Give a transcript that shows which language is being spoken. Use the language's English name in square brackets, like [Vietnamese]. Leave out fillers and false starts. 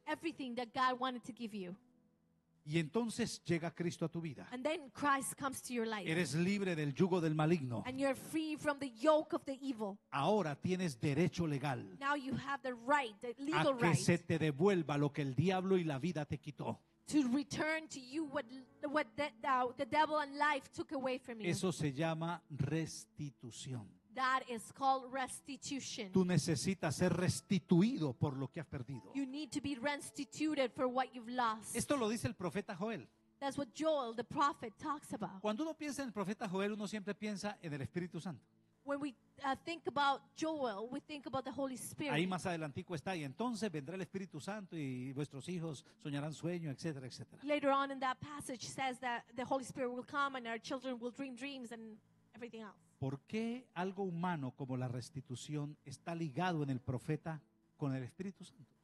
[English] everything that God wanted to give you. [Spanish] Y entonces llega Cristo a tu vida. [English] And then Christ comes to your life. [Spanish] Eres libre del yugo del maligno. [English] And you're free from the yoke of the evil. [Spanish] Ahora tienes derecho legal. [English] Now you have the right, the legal right. [Spanish] A que se te devuelva lo que el diablo y la vida te quitó. [English] To return to you what the devil and life took away from you. [Spanish] Eso se llama restitución. [English] That is called restitution. [Spanish] Tú necesitas ser restituido por lo que has perdido. [English] You need to be restituted for what you've lost. [Spanish] Esto lo dice el profeta Joel. [English] That's what Joel, the prophet, talks about. [Spanish] Cuando uno piensa en el profeta Joel, uno siempre piensa en el Espíritu Santo. [English] When we think about Joel, we think about the Holy Spirit. [Spanish] Ahí más adelantico está, y entonces vendrá el Espíritu Santo y vuestros hijos soñarán sueño, etcétera, etcétera. [English] Later on in that passage says that the Holy Spirit will come and our children will dream dreams and everything else. [Spanish] ¿Por qué algo humano como la restitución está ligado en el profeta con el Espíritu Santo?